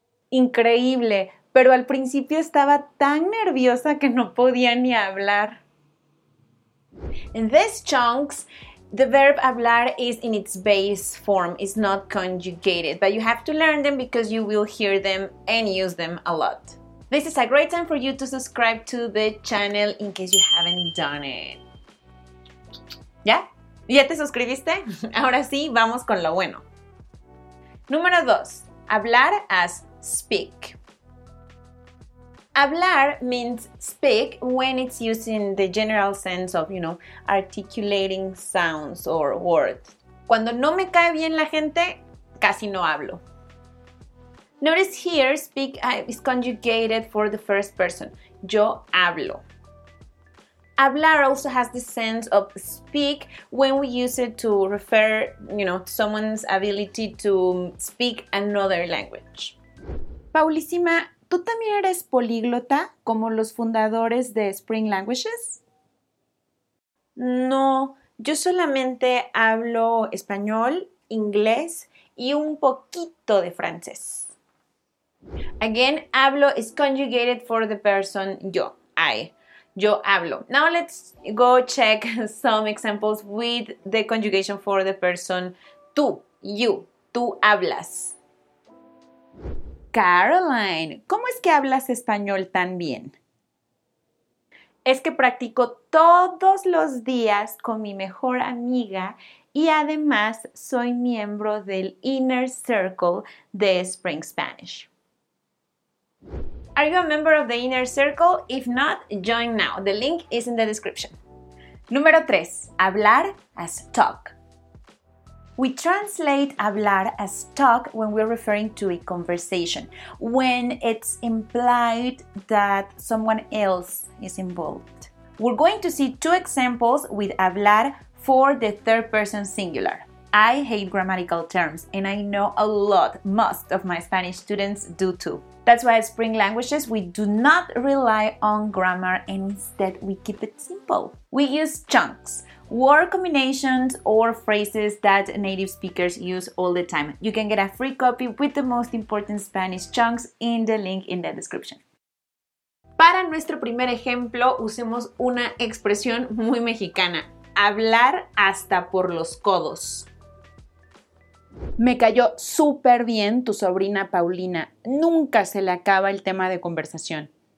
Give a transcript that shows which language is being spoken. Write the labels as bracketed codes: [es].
[es] Increíble, pero al principio estaba tan nerviosa que no podía ni hablar. [en] In these chunks, the verb hablar is in its base form, it's not conjugated, but you have to learn them because you will hear them and use them a lot. This is a great time for you to subscribe to the channel in case you haven't done it. [es] ¿Ya? ¿Ya te suscribiste? Ahora sí, vamos con lo bueno. Número 2. [en] Hablar as speak. Hablar means speak when it's used in the general sense of, you know, articulating sounds or words. [es] Cuando no me cae bien la gente, casi no hablo. [en] Notice here, speak is conjugated for the first person. [es] Yo hablo. [en] Hablar also has the sense of speak when we use it to refer, you know, to someone's ability to speak another language. [es] Paulísima, ¿tú también eres políglota como los fundadores de Spring Languages? No, yo solamente hablo español, inglés y un poquito de francés. [en] Again, hablo is conjugated for the person yo, I. [es] Yo hablo. [en] Now let's go check some examples with the conjugation for the person tú, you, [es] tú hablas. Caroline, ¿cómo es que hablas español tan bien? Es que practico todos los días con mi mejor amiga y además soy miembro del Inner Circle de Spring Spanish. [en] Are you a member of the Inner Circle? If not, join now. The link is in the description. [es] Número 3. [en] Hablar as talk. We translate hablar as talk when we're referring to a conversation, when it's implied that someone else is involved. We're going to see two examples with hablar for the third person singular. I hate grammatical terms, and I know a lot, most of my Spanish students do too. That's why at Spring Languages, we do not rely on grammar, and instead we keep it simple. We use chunks. Word combinations or phrases that native speakers use all the time. You can get a free copy with the most important Spanish chunks in the link in the description. [es] Para nuestro primer ejemplo, usemos una expresión muy mexicana. Hablar hasta por los codos. Me cayó súper bien tu sobrina Paulina. Nunca se le acaba el tema de conversación.